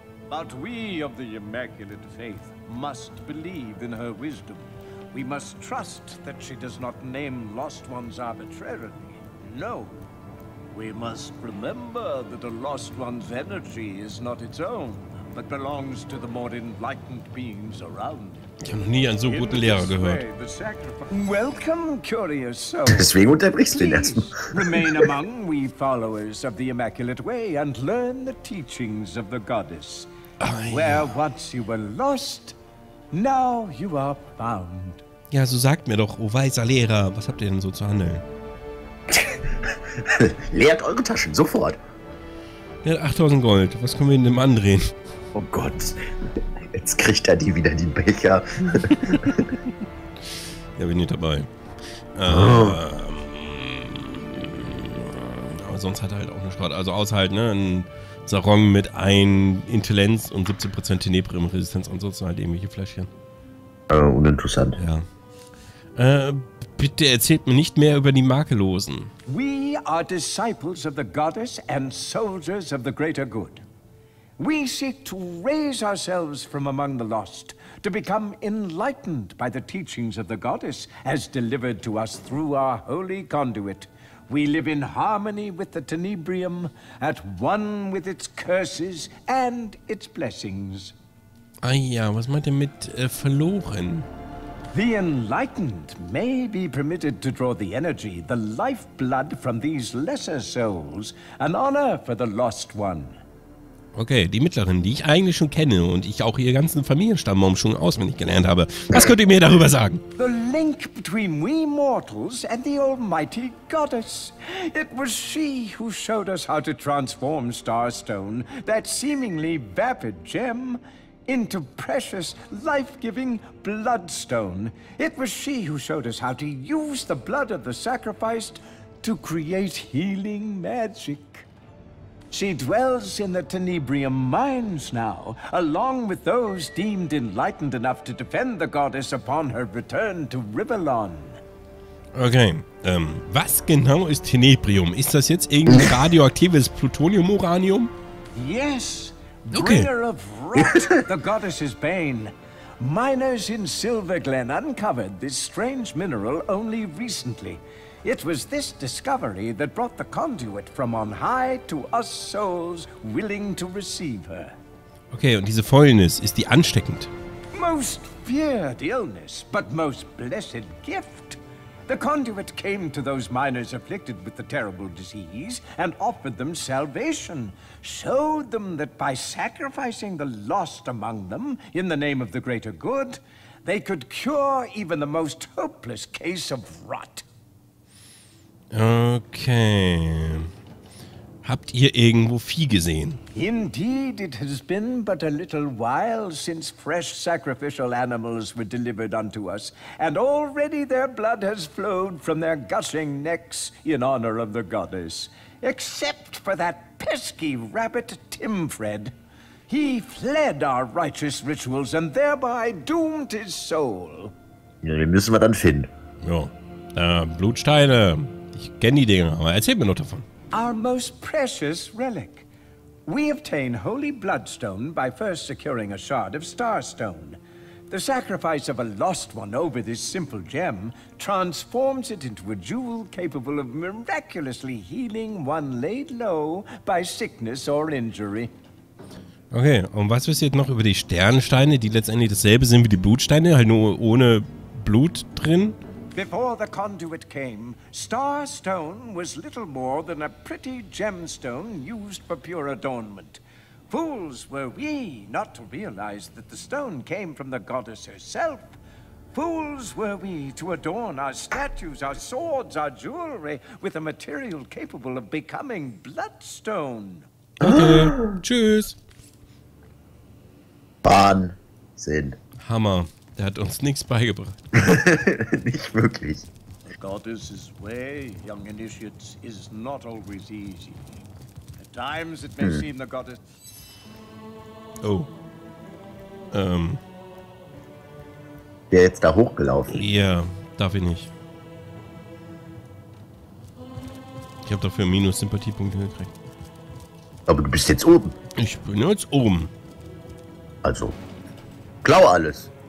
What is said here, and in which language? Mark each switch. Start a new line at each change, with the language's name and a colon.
English: But we of the Immaculate Faith must believe in her wisdom. We must trust that she does not name lost ones arbitrarily. No. We must remember that a lost one's energy is not its own, but belongs to the more enlightened beings around it.
German: Ich habe noch nie einen so guten Lehrer gehört.
English: Welcome, curious soul.
German: Deswegen unterbrichst du ihn erstmal.
English: Remain among we followers of the Immaculate Way and learn the teachings of the goddess. Where once you were lost, now you are found.
German: Ja, so sagt mir doch, oh weiser Lehrer, was habt ihr denn so zu handeln? Leert eure Taschen, sofort. Der hat 8000 Gold, was können wir in dem andrehen? Oh Gott, jetzt kriegt er die wieder, die Becher. Ja, bin ich dabei. Aber sonst hat er halt auch eine Sport. Also außer halt, ne, ein Sarong mit 1 Intelligenz und 17% Tenebrim Resistenz und so, sind halt irgendwelche Fläschchen. Uninteressant. Ja. Bitte erzählt mir nicht mehr über die Makellosen.
English: We are disciples of the goddess and soldiers of the greater good. We seek to raise ourselves from among the lost, to become enlightened by the teachings of the goddess as delivered to us through our holy conduit. We live in harmony with the Tenebrium, at one with its curses and its blessings.
German: Ah ja, was meint ihr mit verloren?
English: The enlightened may be permitted to draw the energy, the lifeblood from these lesser souls, an honor for the lost one.
German: Okay, die Mittleren, die ich eigentlich schon kenne und ich auch ihr ganzen Familienstammbaum schon auswendig gelernt habe. Was könnt ihr mir darüber sagen?
English: The link between we mortals and the almighty goddess. It was she who showed us how to transform Starstone, that seemingly vapid gem, into precious, life-giving bloodstone. It was she who showed us how to use the blood of the sacrificed to create healing magic. She dwells in the Tenebrium mines now, along with those deemed enlightened enough to defend the goddess upon her return to Rivellon.
German: Okay, was genau ist Tenebrium? Ist das jetzt irgendwie radioaktives Plutonium-Uranium?
English: Yes, bringer of rot, the goddess's bane. Miners in Silverglen uncovered this strange mineral only recently. It was this discovery that brought the conduit from on high to us souls willing to receive her.
German: Okay, und diese Fäulnis, ist die ansteckend?
English: Most feared illness, but most blessed gift. The conduit came to those miners afflicted with the terrible disease and offered them salvation, showed them that by sacrificing the lost among them in the name of the greater good, they could cure even the most hopeless case of rot. Okay.
German: Habt ihr irgendwo Vieh gesehen?
English: Indeed, it has been but a little while since fresh sacrificial animals were delivered unto us, and already their blood has flowed from their gushing necks in honor of the goddess. Except for that pesky rabbit Timfred. He fled our righteous rituals and thereby doomed his soul.
German: Ja, den müssen wir dann finden. Ja, Blutsteine. Ich kenne die Dinger, aber erzähl mir noch davon.
English: Our most precious relic. We obtain holy bloodstone by first securing a shard of starstone. The sacrifice of a lost one over this simple gem transforms it into a jewel capable of miraculously healing one laid low by sickness or injury.
German: Okay, und was wisst ihr jetzt noch über die Sternsteine, die letztendlich dasselbe sind wie die Blutsteine, halt nur ohne Blut drin?
English: Before the conduit came, Starstone was little more than a pretty gemstone used for pure adornment. Fools were we not to realize that the stone came from the goddess herself. Fools were we to adorn our statues, our swords, our jewelry with a material capable of becoming bloodstone.
German: Okay, tschüss. Wahnsinn. Hammer. Der hat uns nichts beigebracht. Nicht wirklich.
English: The goddess's way, young initiates, is not always easy. At times it may seem the goddess... Oh.
German: Der jetzt da hochgelaufen. Ja, darf ich nicht. Ich habe dafür minus Sympathiepunkte gekriegt. Aber du bist jetzt oben. Ich bin jetzt oben. Also, klau alles.